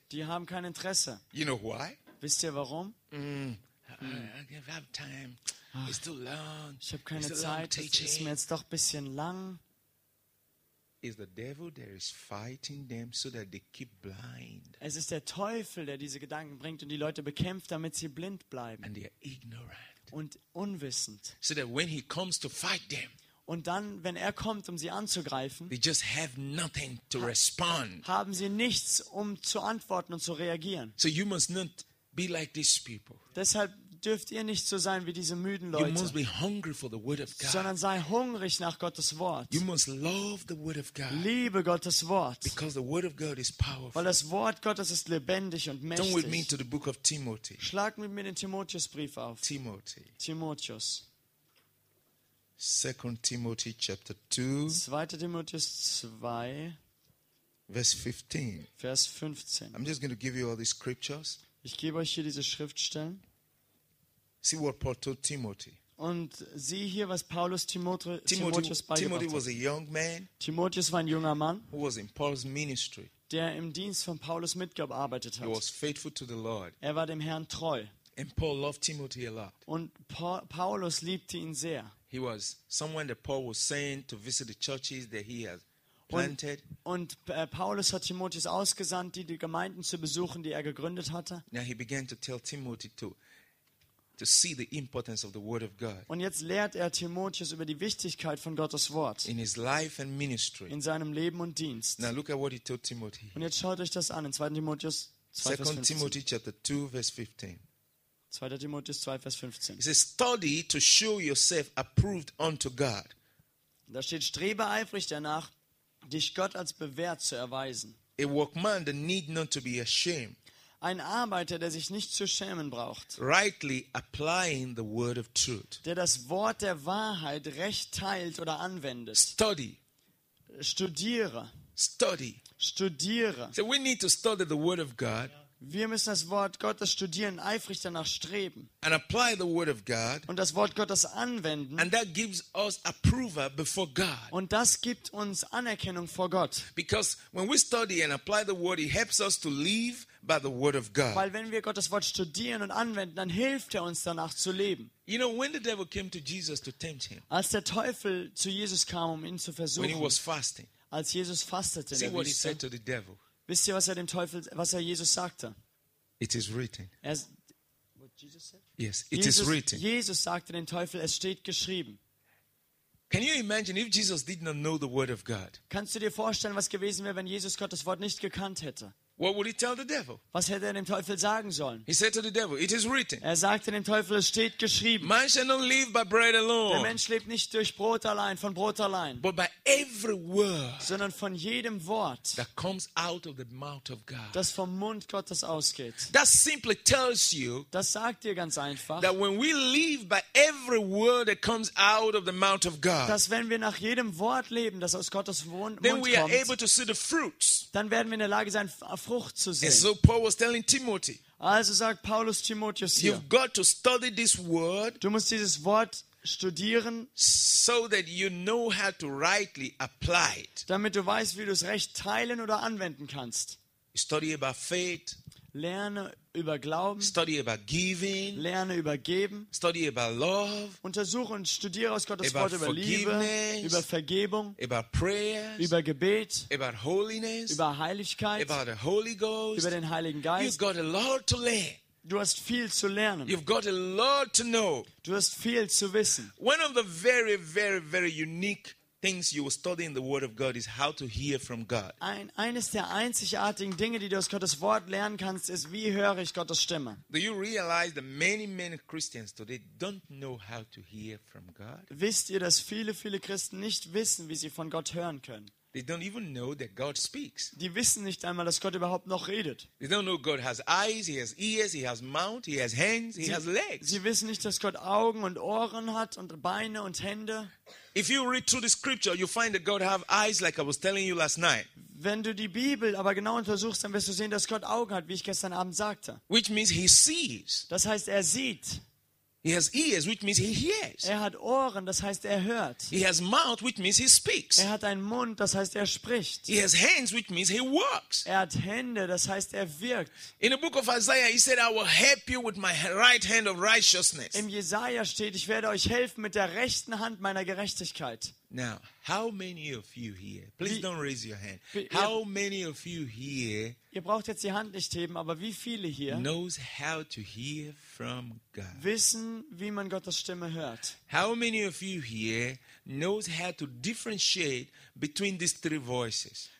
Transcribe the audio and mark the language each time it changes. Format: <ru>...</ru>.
<de>Die haben kein Interesse.</de> <en>You know why?</en> <de>Wisst ihr warum?</de> <en>I don't have time. Ach, it's too long.</en> <de>Ich habe keine Zeit. Es ist mir jetzt doch ein bisschen lang.</de> <en>Is the devil that is fighting them so that they keep blind?</en> <de>Es ist der Teufel, der diese Gedanken bringt und die Leute bekämpft, damit sie blind bleiben.</de> <en>And they're ignorant.</en> <de>Und unwissend.</de> <en>So that when he comes to fight them.</en> <de>Und dann, wenn er kommt, um sie anzugreifen,</de> <en>they just have nothing to respond.</en> <de>Haben sie nichts, um zu antworten und zu reagieren.</de> <en>So you must not be like these people.</en> <de>Deshalb dürft ihr nicht so sein wie diese müden Leute.</de> <en>You must be hungry for the word of God.</en> <de>Sondern sei hungrig nach Gottes Wort.</de> <en>You must love the word of God.</en> <de>Liebe Gottes Wort.</de> <en>Because the word of God is powerful.</en> <de>Weil das Wort Gottes ist lebendig und mächtig.</de> <en>Turn with me to the book of Timothy.</en> <de>Schlag mit mir den Timotheusbrief auf.</de> <en>Timothy.</en> <de>Timotheus.</de> <en>2 Timothy chapter 2.</en> <de>2. Timotheus 2. Vers 15.</de> <en>I'm just going to give you all these scriptures.</en> <de>Ich gebe euch hier diese Schriftstellen.</de> <en>See what Paul told Timothy.</en> <de>Und sieh hier, was Paulus Timotheus beigebracht</de> <en>Timothy was a young man.</en> <de>Timotheus war ein junger Mann.</de> <en>Who was in Paul's ministry.</en> <de>Der im Dienst von Paulus mitgearbeitet hat.</de> <en>He was faithful to the Lord.</en> <de>Er war dem Herrn treu.</de> <en>And Paul loved Timothy a lot.</en> <de>Und Paulus liebte ihn sehr.</de> <en>He was someone that Paul was sent to visit the churches that he had planted.</en> <de>Und Paulus hat Timotheus ausgesandt, die Gemeinden zu besuchen, die er gegründet hatte.</de> <en>Now he began to tell Timothy to see the importance of the Word of God.</en> <de>Und jetzt lehrt er Timotheus über die Wichtigkeit von Gottes Wort.</de> <en>In his life and ministry.</en> <de>In seinem Leben und Dienst.</de> <en>Now look at what he told Timothy.</en> <de>Und jetzt schaut euch das an in 2. Timotheus 2, Vers 15.</de> <en>2. Timothy chapter 2, verse 15.</en> <de>2. Timotheus 2, Vers 15.</de> <en>It says, study to show yourself approved unto God.</en> <de>Da steht, strebe eifrig danach, dich Gott als bewährt zu erweisen.</de> <en>A workman that need not to be ashamed.</en> <de>Ein Arbeiter, der sich nicht zu schämen braucht.</de> <en>Rightly applying the word of truth.</en> <de>Der das Wort der Wahrheit recht teilt oder anwendet.</de> <en>Study.</en> <de>Studiere.</de> <en>Study.</en> <de>Studiere.</de> <en>So we need to study the word of God.</en> <de>Wir müssen das Wort Gottes studieren, eifrig danach streben.</de> <en>And apply the word of God.</en> <de>Und das Wort Gottes anwenden.</de> <en>And that gives us approval before God.</en> <de>Und das gibt uns Anerkennung vor Gott.</de> <en>Because when we study and apply the word, it helps us to live by the word of God.</en> <de>Weil wenn wir Gottes Wort studieren und anwenden, dann hilft er uns danach zu leben.</de> <en>You know, when the devil came to Jesus to tempt him.</en> <de>Als der Teufel zu Jesus kam, um ihn zu versuchen.</de> <en>When he was fasting.</en> <de>Als Jesus fastete.</de> <en>See what he said to the devil.</en> <de>Wisst ihr, was er dem Teufel, was er Jesus sagte?</de> <en>It is written. What Jesus said? Yes, it is written.</en> <de>Jesus sagte dem Teufel, es steht geschrieben.</de> <en>Can you imagine if Jesus did not know the word of God?</en> <de>Kannst du dir vorstellen, was gewesen wäre, wenn Jesus Gottes Wort nicht gekannt hätte?</de> <en>What would he tell the devil?</en> <de>Was hätte er dem Teufel sagen sollen?</de> <en>He said to the devil, it is written.</en> <de>Er sagte dem Teufel, es steht geschrieben.</de> <en>Man shall not live by bread alone.</en> <de>Der Mensch lebt nicht durch Brot allein, von Brot allein.</de> <en>But by every word.</en> <de>Sondern von jedem Wort.</de> <en>That comes out of the mouth of God.</en> <de>Das vom Mund Gottes ausgeht.</de> <en>That simply tells you.</en> <de>Das sagt dir ganz einfach.</de> <en>That when we live by every word that comes out of the mouth of God.</en> <de>Dass wenn wir nach jedem Wort leben, das aus Gottes Mund kommt.</de> <en>Then we are able to see the fruits.</en> <de>Dann werden wir in der Lage sein, Frucht zu sehen.</de> <en>And so Paul was telling Timothy.</en> <de>Also sagt Paulus Timotheus hier.</de> <en>You've got to study this word.</en> <de>Du musst dieses Wort studieren.</de> <en>So that you know how to rightly apply it.</en> <de>Damit du weißt, wie du es recht teilen oder anwenden kannst.</de> <en>Study about faith.</en> <de>Lerne über Glauben.</de> <en>Study about giving.</en> <de>Lerne über Geben.</de> <en>Study about love.</en> <de>Untersuche und studiere aus Gottes Wort über Liebe, über Vergebung,</de> <en>about prayers,</en> <de>über Gebet,</de> <en>about holiness,</en> <de>über Heiligkeit,</de> <en>about the Holy Ghost,</en> <de>über den Heiligen Geist.</de> <en>You've got a lot to learn.</en> <de>Du hast viel zu lernen.</de> <en>You've got a lot to know.</en> <de>Du hast viel zu wissen.</de> <en>One of the very, very, very unique things you will study in the Word of God is how to hear from God.</en> <de>Eines der einzigartigen Dinge, die du aus Gottes Wort lernen kannst, ist, wie höre ich Gottes Stimme?</de> <en>Do you realize that many, many Christians today don't know how to hear from God?</en> <de>Wisst ihr, dass viele, viele Christen nicht wissen, wie sie von Gott hören können?</de> <en>They don't even know that God speaks.</en> <de>Die wissen nicht einmal, dass Gott überhaupt noch redet.</de> <en>They don't know God has eyes, he has ears, he has mouth, he has hands, he has legs.</en> <de>Sie wissen nicht, dass Gott Augen und Ohren hat und Beine und Hände.</de> <en>If you read through the scripture, you find that God have eyes like I was telling you last night.</en> <de>Wenn du die Bibel aber genau untersuchst, dann wirst du sehen, dass Gott Augen hat, wie ich gestern Abend sagte.</de> <en>Which means he sees.</en> <de>Das heißt, er sieht.</de> <en>He has ears, which means he hears.</en> <de>Er hat Ohren, das heißt, er hört.</de> <en>He has mouth, which means he speaks.</en> <de>Er hat einen Mund, das heißt, er spricht.</de> <en>He has hands, which means he works.</en> <de>Er hat Hände, das heißt, er wirkt.</de> <en>In the book of Isaiah, he said, "I will help you with my right hand of righteousness."</en> <de>Im Jesaja steht, ich werde euch helfen mit der rechten Hand meiner Gerechtigkeit.</de> <en>Now, how many of you here? Please don't raise your hand. How many of you here?</en> <de>Ihr braucht jetzt die Hand nicht heben, aber wie viele hier?</de> <en>Knows how to hear from God.</en> <de>Wissen, wie man Gottes Stimme hört.</de> <en>How many of you here knows how to differentiate between these three voices?</en>